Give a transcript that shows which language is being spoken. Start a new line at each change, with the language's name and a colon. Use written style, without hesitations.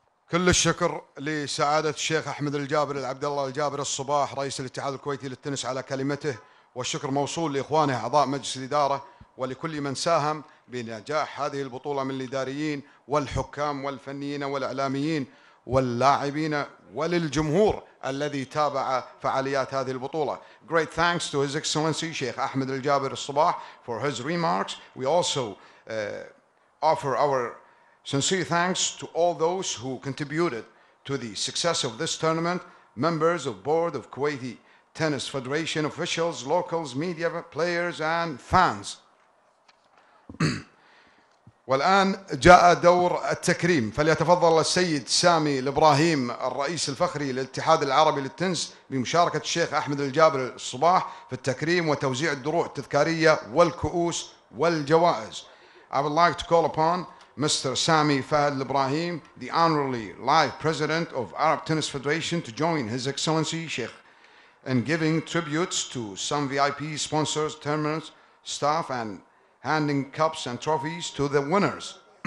Arabic: كل الشكر لسعادة الشيخ أحمد الجابر العبد الله الجابر الصباح رئيس الاتحاد الكويتي للتنس على كلمته، والشكر موصول لإخوانه أعضاء مجلس الإدارة ولكل من ساهم بنجاح هذه البطولة من الإداريين والحكام والفنيين والإعلاميين واللاعبين وللجمهور الذي تابع فعاليات هذه البطولة.
English: Great thanks to His Excellency Sheikh Ahmed Al-Jaber Al-Sabah for his remarks. We also offer our sincere thanks to all those who contributed to the success of this tournament, members of board of Kuwaiti Tennis Federation, officials, locals, media, players and fans.
Arabic: والآن جاء دور التكريم، فليتفضل السيد سامي الإبراهيم الرئيس الفخري للاتحاد العربي للتنس بمشاركة الشيخ أحمد الجابر الصباح في التكريم وتوزيع الدروع التذكارية والكؤوس والجوائز.
English: I would like to call upon Mr. Sami Fahd Ibrahim, the honorary live president of Arab Tennis Federation, to join His Excellency Sheikh in giving tributes to some VIP sponsors, tournaments, staff and handing cups and trophies to the winners.